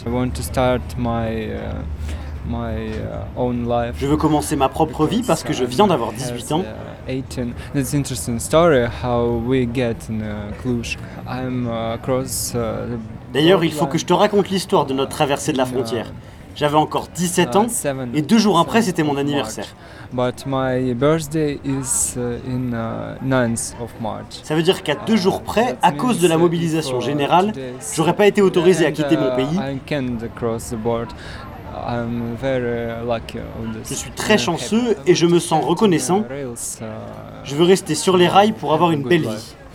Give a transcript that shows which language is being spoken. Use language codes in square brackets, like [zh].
[fr] Je veux commencer ma propre vie parce que je viens d'avoir 18 ans. [en] It's an interesting story how we get in Cluj. I'm across. [fr] D'ailleurs, il faut que je te raconte l'histoire de notre traversée de la frontière. J'avais encore 17 ans et deux jours après, c'était mon anniversaire. [en] But my birthday is in 9th of March. [fr] Ça veut dire qu'à deux jours près, à cause de la mobilisation générale, j'aurais pas été autorisé à quitter mon pays. [en] I can't cross the border. I'm very lucky on this. [fr] Je suis très chanceux et je me sens reconnaissant. Je veux rester sur les rails pour avoir une belle vie.